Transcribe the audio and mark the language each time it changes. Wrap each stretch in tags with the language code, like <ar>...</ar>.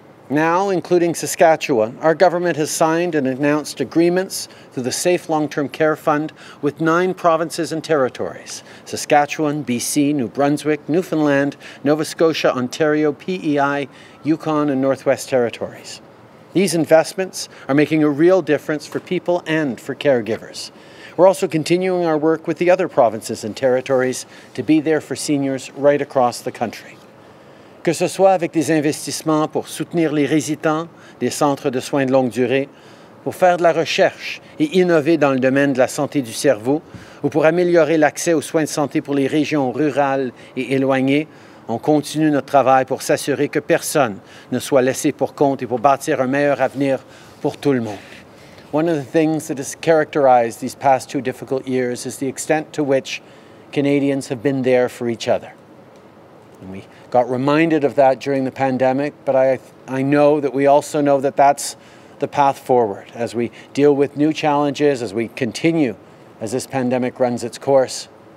<en>Now, including Saskatchewan, our government has signed and announced agreements through the Safe Long-Term Care Fund with 9 provinces and territories: Saskatchewan, BC, New Brunswick, Newfoundland, Nova Scotia, Ontario, PEI, Yukon, and Northwest Territories. These investments are making a real difference for people and for caregivers. We're also continuing our work with the other provinces and territories to be there for seniors right across the country.</en> <fr>Que ce soit avec des investissements pour soutenir les résidents des centres de soins de longue durée, pour faire de la recherche et innover dans le domaine de la santé du cerveau, ou pour améliorer l'accès aux soins de santé pour les régions rurales et éloignées, on continue notre travail pour s'assurer que personne ne soit laissé pour compte et pour bâtir un meilleur avenir pour tout le monde.</fr> <en>One of the things that has characterized these past two difficult years is the extent to which Canadians have been there for each other. And we got reminded of that during the pandemic, but I know that we also know that that's the path forward as we deal with new challenges, as we continue, as this pandemic runs its course.</en>